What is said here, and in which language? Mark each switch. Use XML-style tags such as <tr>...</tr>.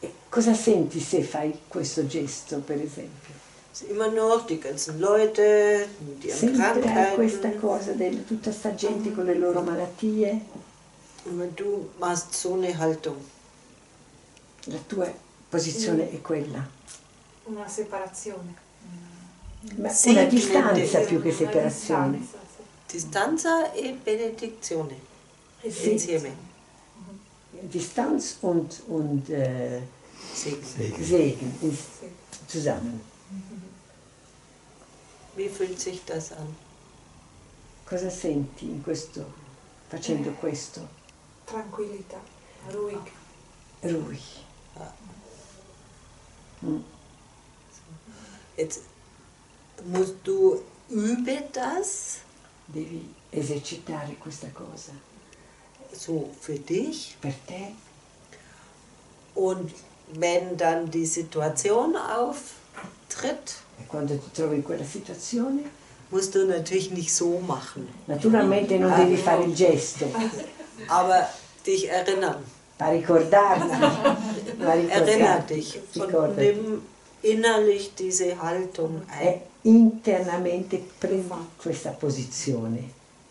<it>Cosa senti se fai questo gesto, per esempio?</it> <de>Immer noch die ganzen Leute, die Krankheiten.</de> <it>Questa cosa, tutta sta gente con le loro malattie.</it> <de>Und wenn du machst so eine Haltung.</de> <it>La tua posizione è quella. Una separazione. Ma sì, una distanza più che separazione. Distanza e benedizione. Sì. Insieme.</it> <de>Distanz und Segen. Segen. Zusammen. Wie fühlt sich das an?</de> <it>Cosa senti in questo facendo questo? Tranquillità,</it> <de>ruhig. Ruhig. Jetzt musst du üben das.</de> <it>Devi esercitare questa cosa.</it> <de>So für dich.</de> <it>Per te.</it> <de>Und wenn dann die Situation auftritt.</de> <it>E quando ti trovi in quella situazione,</it> <de>musst du natürlich nicht so machen.</de> <it>Naturalmente non devi fare il gesto.</it> <de>Aber dich erinnern.</de> <it>Ma ricordarla.</it> <de>Erinner dich. Und nimm innerlich diese Haltung ein.</de> <it>Internamente prima questa posizione.</it>